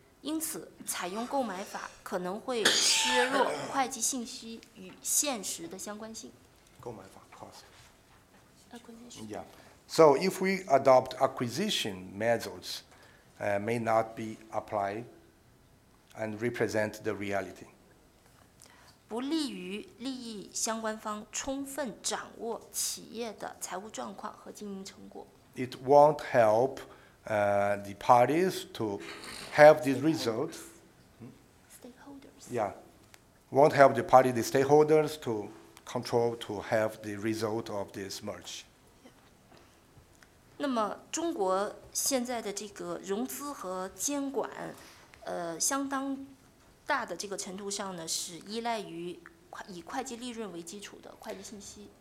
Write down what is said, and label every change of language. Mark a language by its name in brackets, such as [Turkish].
[Chinese] 因此，采用购买法可能会削弱会计信息与现实的相关性。购买法 cost. [English] Acquisition. Yeah. So if we adopt acquisition methods, may not be applied and represent the reality. [Chinese] 不利于利益相关方充分掌握企业的财务状况和经营成果。 [English] It won't help the parties to have the result. Stakeholders. Yeah. Won't help the party, the stakeholders to control to have the result of this merge. Yeah. [Chinese] 那么中国现在的这个融资和监管相当大的这个程度上呢，是依赖于以会计利润为基础的会计信息。